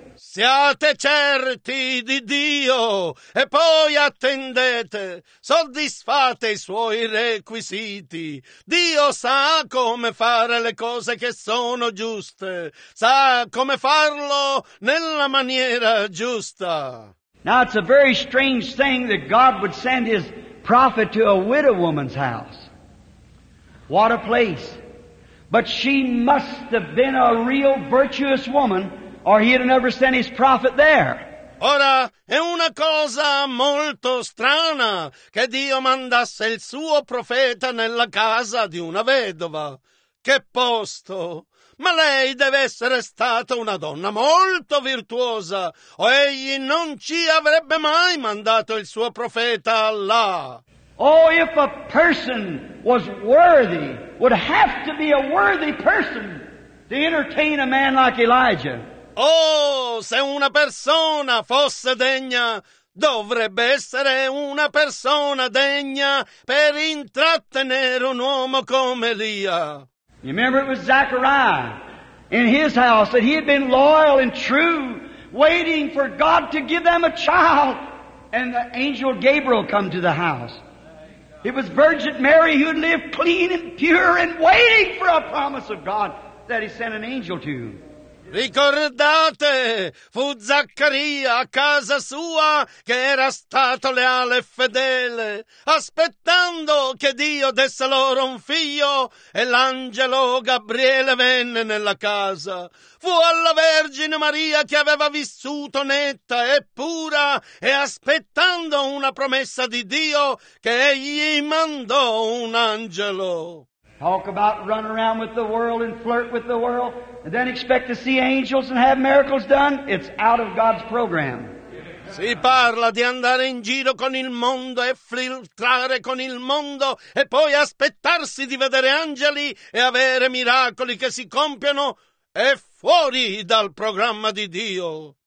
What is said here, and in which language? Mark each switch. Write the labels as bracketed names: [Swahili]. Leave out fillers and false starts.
[Italian] Siate certi di Dio e poi attendete, soddisfate i suoi requisiti. Dio sa come fare le cose che sono giuste, sa come farlo nella maniera giusta. [English] Now it's a very strange thing that God would send His prophet to a widow woman's house. What a place. But she must have been a real virtuous woman, or He'd have never sent His prophet there. [Italian] Ora, è una cosa molto strana che Dio mandasse il suo profeta nella casa di una vedova. Che posto! Ma lei deve essere stata una donna molto virtuosa, o egli non ci avrebbe mai mandato il suo profeta là. [English] Oh, if a person was worthy, would have to be a worthy person to entertain a man like Elijah. [Italian] Oh, se una persona fosse degna, dovrebbe essere una persona degna per intrattenere un uomo come Elia. [English] You remember it was Zechariah in his house that he had been loyal and true, waiting for God to give them a child, and the angel Gabriel come to the house. It was Virgin Mary who had lived clean and pure and waiting for a promise of God that He sent an angel to. [Italian] Ricordate, fu Zaccaria a casa sua che era stato leale e fedele, aspettando che Dio desse loro un figlio, e l'angelo Gabriele venne nella casa. Fu alla Vergine Maria che aveva vissuto netta e pura, e aspettando una promessa di Dio, che egli mandò un angelo. [English] Talk about run around with the world and flirt with the world, and then expect to see angels and have miracles done. It's out of God's program. [Italian] Si parla di andare in giro con il mondo e filtrare con il mondo e poi aspettarsi di vedere angeli e avere miracoli che si compiono è fuori dal programma di Dio.